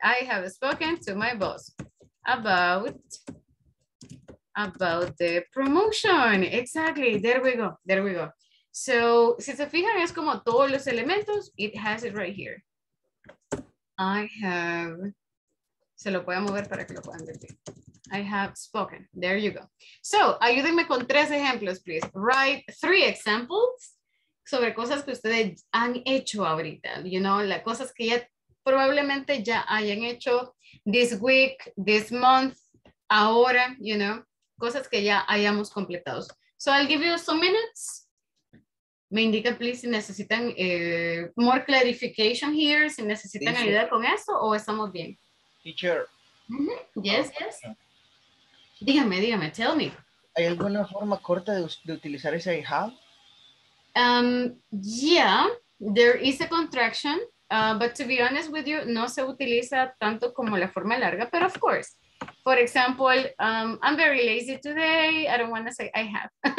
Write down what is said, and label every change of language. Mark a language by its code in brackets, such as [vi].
[en] I have spoken to my boss about the promotion. Exactly. There we go. There we go. [es] So, si se fijan, es como todos los elementos. [en] It has it right here. I have. [es] Se lo voy a mover para que lo puedan ver. [en] I have spoken. There you go. So, [es] ayúdenme con tres ejemplos, [en] please. Write three examples [es] sobre cosas que ustedes han hecho ahorita, you know, las cosas que ya probablemente ya hayan hecho [en] this week, this month, [es] ahora, [en] you know, [es] cosas que ya hayamos completado. [en] So I'll give you some minutes. [es] Me indican, please, si necesitan [en] more clarification here, [es] si necesitan teacher ayuda con eso o estamos bien. [en] Teacher. Mm-hmm. Yes, oh, yes. Yeah. [es] Dígame, dígame, [en] tell me. [es] ¿Hay alguna forma corta de utilizar ese [en] I have? Yeah, there is a contraction, but to be honest with you, [es] no se utiliza tanto como la forma larga, [en] but of course, for example, I'm very lazy today, I don't want to say I have.